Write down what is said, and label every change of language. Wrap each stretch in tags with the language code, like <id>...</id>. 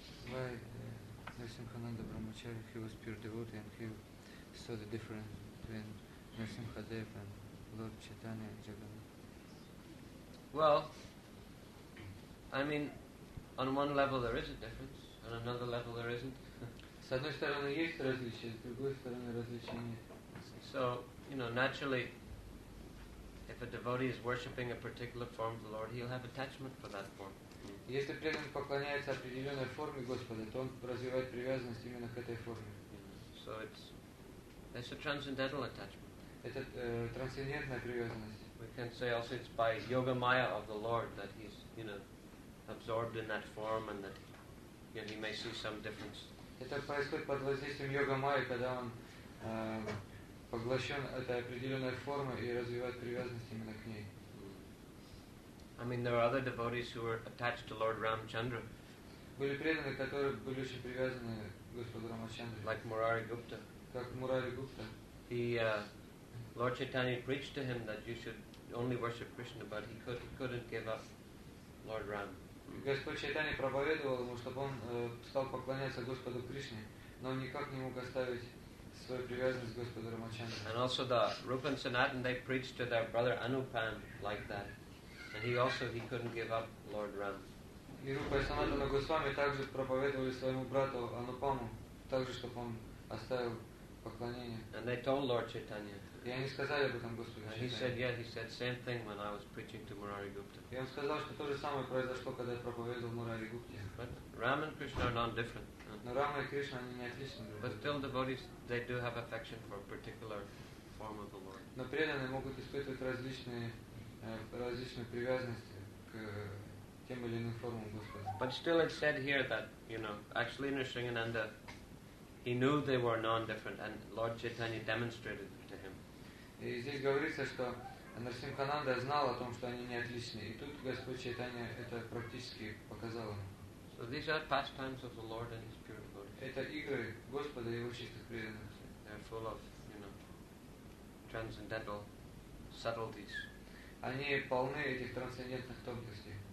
<en>Why Narasimhananda Brahmachari, he was pure devotee and he saw the difference between Narasimhadev and Lord Chaitanya and Jagannath. Well, I mean, on one level there is a difference, on another level there isn't.</en> <ru>С одной стороны есть различие, с другой стороны различия нет.</ru> <en>So, you know, naturally, if a devotee is worshipping a particular form of the Lord, he'll have attachment for that form.</en> <ru>Если преданный поклоняется определенной форме Господа, то он развивает привязанность именно к этой форме.</ru> <en>So it's a transcendental attachment.</en> <ru>Это трансцендентная привязанность.</ru> <en>We can say also it's by yoga maya of the Lord that he's, you know, absorbed in that form and that, you know, he may see some difference.</en> <ru>Это происходит под воздействием йога майя, когда он поглощен этой определенной формой и развивает привязанность именно к ней.</ru> <en>I mean, there are other devotees who were attached to Lord Ramchandra.</en> <ru>Были преданные, которые были очень привязаны к Господу Рамачандре.</ru> <en>Like Murari Gupta.</en> <ru>Как Мурари Гупта.</ru> <en>Lord Chaitanya preached to him that you should only worship Krishna, but he couldn't give up Lord Ram.</en> <ru>Господь Чайтанья проповедовал ему, чтобы он стал поклоняться Господу Кришне, но он никак не мог оставить свою привязанность к Господу Рамачандре.</ru> <en>And also the Rupa and Sanatan, they preached to their brother Anupam like that. And he couldn't give up Lord Ram.</en> <ru>И Рупа и Санатана Госвами также проповедовали своему брату Анупаму, также чтобы он оставил поклонение.</ru> <en>And they told Lord Chaitanya.</en> <ru>И они сказали об этом Господу Чайтанье.</ru> <en>He said same thing when I was preaching to Murari Gupta.</en> <ru>И он сказал, что то же самое произошло, когда я проповедовал Мурари Гупте.</ru> <en>But Ram and Krishna are not different.</en> <ru>Но Рама и Кришна они не отличны.</ru> <en>But still devotees, they do have affection for a particular form of the Lord.</en> <ru>Но преданные могут испытывать различные привязанности к тем или иным формам Господа.</ru> <en>But still it said here that, you know, actually Nrisinghananda, he knew they were non-different, and Lord Chaitanya demonstrated it to him.</en> <ru>И здесь говорится, что Нрисимхананда знал о том, что они не отличны. И тут Господь Чайтанья это практически показал ему.</ru> <en>So these are pastimes of the Lord and His pure devotees.</en> <ru>Это игры Господа и Его чистых преданных.</ru> <en>They're full of, you know, transcendental subtleties.</en> <ru>Они полны этих трансцендентных тонкостей.</ru>